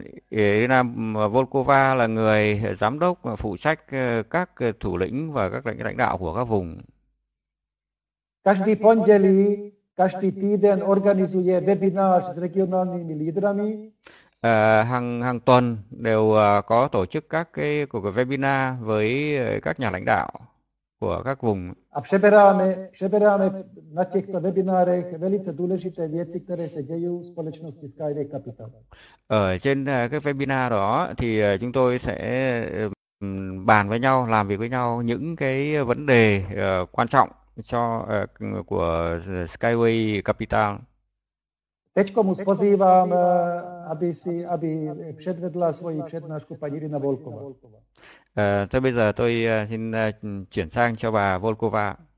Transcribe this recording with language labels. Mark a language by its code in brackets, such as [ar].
[vi] Irina Volkova là người giám đốc và phụ trách các thủ lĩnh và các lãnh đạo của các vùng. [cs] Každý pondelí, každý týden organizuje webinář s [sk] regionálnymi lídrami. [vi] Hàng tuần đều có tổ chức các cái cuộc webinar với các nhà lãnh đạo của các vùng. [cs] A přeberáme na těchto webinárech velice důležité věci, které se dějí v společnosti Skyway Capital. [vi] Ở trên cái webinar đó thì chúng tôi sẽ bàn với nhau, làm việc với nhau những cái vấn đề quan trọng cho của Skyway Capital. [cs] Teďko mu pozývám, aby předvedla svoji přednášku paní Irina Volková. [vi] Thế bây giờ tôi xin chuyển sang cho bà Volkova.